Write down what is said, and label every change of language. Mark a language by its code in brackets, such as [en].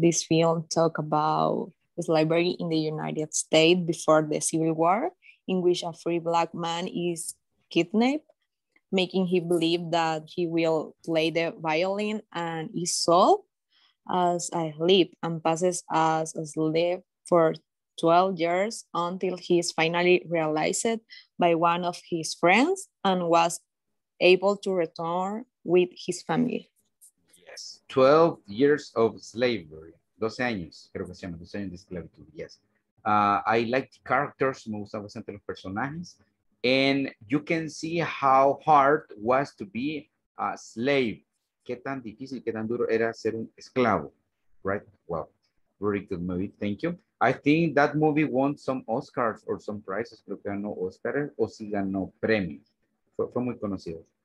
[en] This film talk about slavery in the United States before the Civil War, in which a free black man is kidnapped, making him believe that he will play the violin and is sold as a slave and passes as a slave for 12 years until he is finally realized by one of his friends and was able to return with his family. Yes, 12 years of slavery. [es] 12 años, creo que se llama, 12 años de esclavitud, [en] yes. I like the characters, [es] me gustan bastante los personajes. [en] And you can see how hard was to be a slave. [es] Qué tan difícil, qué tan duro era ser un esclavo, [en] right? Well, very good movie, thank you. I think that movie won some Oscars or some prizes, [es] creo que ganó Oscar o si ganó premio. Fue muy conocido.